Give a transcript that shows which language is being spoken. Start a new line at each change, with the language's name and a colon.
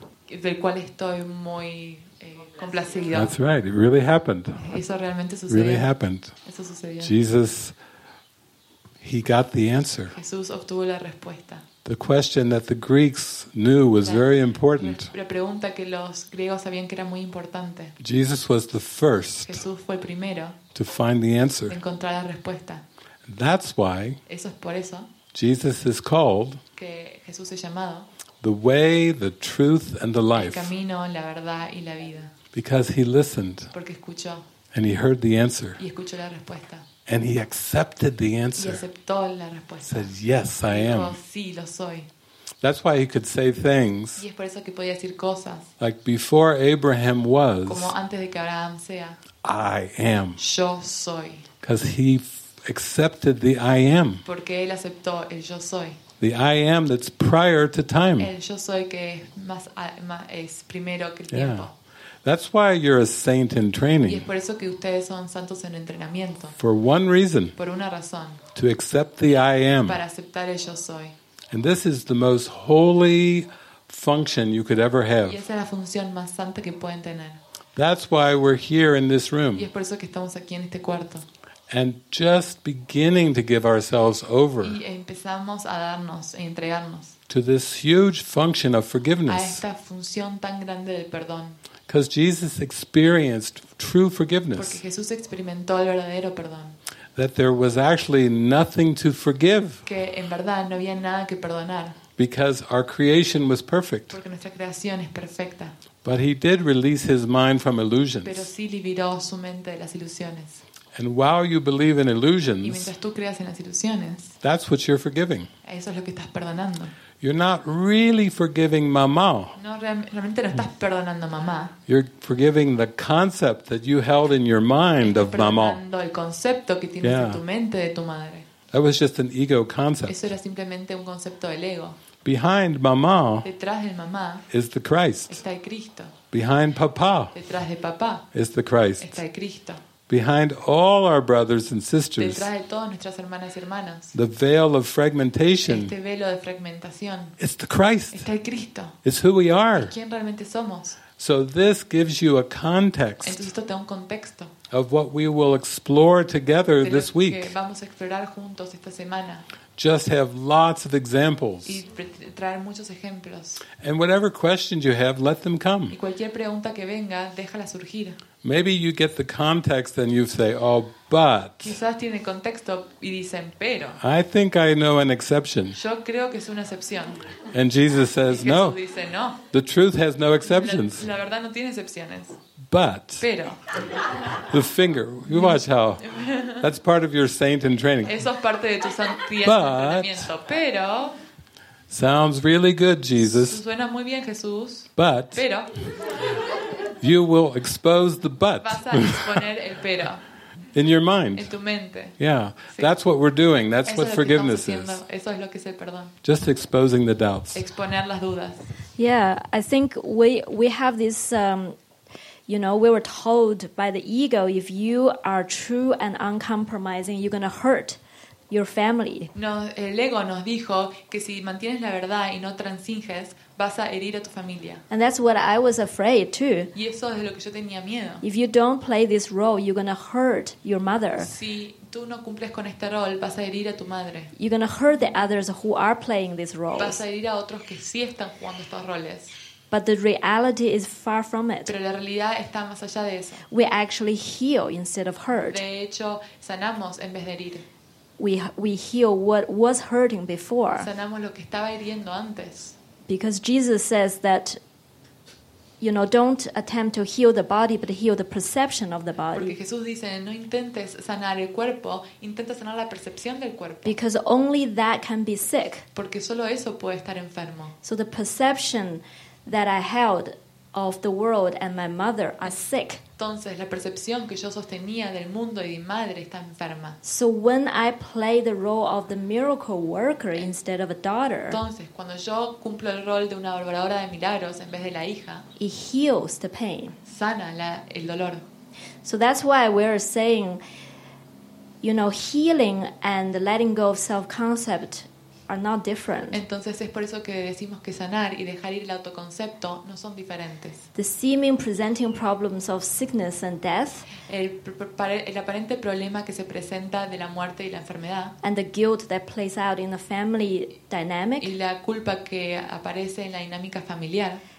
Spanish: Y del cual estoy muy complacido.
English: That's right. It really happened.
Spanish: Eso realmente sucedió.
English: Really happened.
Spanish: Eso sucedió.
English: Jesus, he got the answer.
Spanish: Jesús obtuvo la respuesta.
English: The question that the Greeks knew was very important.
Spanish: La pregunta que los griegos sabían que era muy importante.
English: Jesus was the first.
Spanish: Jesús fue el primero.
English: To find the answer.
Spanish: De encontrar la respuesta.
English: That's why.
Spanish: Eso es por eso.
English: Jesus is called.
Spanish: Que Jesús es llamado.
English: The way, the truth, and the life.
Spanish: El camino, la verdad y la vida.
English: Because he listened.
Spanish: Porque escuchó.
English: And he heard the answer.
Spanish: Y escuchó la respuesta.
English: And he accepted the answer.
Spanish: Y aceptó la respuesta.
English: Said, yes, I am.
Spanish: Dijo, sí, lo soy.
English: That's why he could say things.
Spanish: Y es por eso que podía decir cosas.
English: Like before Abraham was.
Spanish: Como antes de que Abraham sea.
English: I am.
Spanish: Yo soy.
English: Because he accepted the I am.
Spanish: Porque él aceptó el yo soy.
English: The I am that's prior to time.
Spanish: El yo soy que es primero que el tiempo.
English: Yeah. That's why you're a saint in training.
Spanish: Y es por eso que ustedes son santos en entrenamiento.
English: For one reason.
Spanish: Por una razón.
English: To accept the I am.
Spanish: Para aceptar el yo soy.
English: And this is the most holy function you could ever have.
Spanish: Y esa es la función más santa que pueden tener.
English: That's why we're here in this room.
Spanish: Y es por eso que estamos aquí en este cuarto.
English: And just beginning to give ourselves over.
Spanish: Y empezamos a darnos e entregarnos.
English: To this huge function of forgiveness.
Spanish: A esta función tan grande del perdón.
English: Because Jesus experienced true forgiveness.
Spanish: Porque Jesús experimentó el verdadero perdón.
English: That there was actually nothing to forgive.
Spanish: Que en verdad no había nada que perdonar.
English: Because our creation was perfect.
Spanish: Porque nuestra creación es perfecta.
English: But he did release his mind from illusions.
Spanish: Pero sí liberó su mente de las ilusiones.
English: And while you believe in illusions,
Spanish: y mientras tú creas en las ilusiones,
English: that's what you're forgiving.
Spanish: Eso es lo que estás perdonando.
English: You're not really forgiving mamá.
Spanish: No, realmente no estás perdonando mamá.
English: You're forgiving the concept that you held in your mind of mamá.
Spanish: Estás perdonando el concepto que tienes en tu mente de tu madre.
English: That was just an ego concept.
Spanish: Eso era simplemente un concepto del ego.
English: Behind mamá,
Spanish: detrás del mamá,
English: is the Christ.
Spanish: Está el Cristo.
English: Behind papá,
Spanish: detrás de papá,
English: is the Christ.
Spanish: Está el Cristo.
English: Behind all our brothers and sisters,
Spanish: detrás de todas nuestras hermanas y hermanos,
English: the veil of fragmentation,
Spanish: este velo de fragmentación,
English: it's the Christ.
Spanish: Está el Cristo.
English: It's who we are.
Spanish: Es quien realmente somos.
English: So this gives you a context.
Spanish: Entonces esto te da un contexto.
English: Of what we will explore together this week.
Spanish: De lo que vamos a explorar juntos esta semana.
English: Just have lots of examples.
Spanish: Y traer muchos ejemplos.
English: And whatever questions you have, let them come.
Spanish: Y cualquier pregunta que venga, déjala surgir.
English: Maybe you get the context and you say, oh, but.
Spanish: Quizás tiene contexto y dicen, pero.
English: I think I know an exception.
Spanish: Yo creo que es una excepción.
English: And Jesus says, no.
Spanish: Y Jesús dice, no.
English: The truth has no exceptions.
Spanish: La verdad no tiene excepciones.
English: But.
Spanish: Pero.
English: The finger. You watch how. That's part of your saint in training.
Spanish: Eso es parte de tu santidad en entrenamiento. Pero.
English: Sounds really good, Jesus.
Spanish: Suena muy bien, Jesús.
English: But.
Spanish: Pero.
English: You will expose the but.
Spanish: Vas a exponer el pero.
English: In your mind.
Spanish: En tu mente.
English: Yeah.
Spanish: Sí.
English: That's what we're doing. That's
Spanish: eso
English: what
Spanish: es
English: forgiveness is.
Spanish: Eso es lo que es el perdón.
English: Just exposing the doubts.
Spanish: Exponer las dudas.
English: Yeah. I think we have this, you know, we were told by the ego, if you are true and uncompromising, you're going to hurt your family.
Spanish: No, el ego nos dijo que si mantienes la verdad y no transinges, vas a herir a tu familia.
English: And that's what I was afraid too.
Spanish: Y eso es de lo que yo tenía miedo.
English: If you don't play this role, you're going to hurt your mother.
Spanish: Si tú no cumples con este rol, vas a herir a tu madre.
English: You're going to hurt the others who are playing these roles.
Spanish: Vas a herir a otros que sí están jugando estos roles.
English: But the reality is far from it.
Spanish: Pero la realidad está más allá de eso.
English: We actually heal instead of hurt.
Spanish: De hecho, sanamos en vez de herir.
English: We heal what was hurting before.
Spanish: Sanamos lo que estaba hiriendo antes.
English: Because Jesus says that, you know, don't attempt to heal the body, but heal the perception of the body.
Spanish: Porque Jesús dice, no intentes sanar el cuerpo, intenta sanar la percepción del cuerpo.
English: Because only that can be sick.
Spanish: Porque solo eso puede estar enfermo.
English: So the perception that I held of the world and my mother are sick.
Spanish: Entonces la percepción que yo sostenía del mundo y de mi madre está enferma.
English: So when I play the role of the miracle worker instead of a daughter.
Spanish: Entonces cuando yo cumplo el rol de una obradora de milagros en vez de la hija.
English: It heals the pain.
Spanish: Sana el dolor.
English: So that's why we're saying, you know, healing and letting go of self-concept are not different.
Spanish: Entonces es por eso que decimos que sanar y dejar ir el autoconcepto no son diferentes.
English: The seeming presenting problems of sickness and death,
Spanish: el aparente problema que se presenta de la muerte y la enfermedad,
English: and the guilt that plays out in the family dynamic,
Spanish: y la culpa que aparece en la dinámica familiar,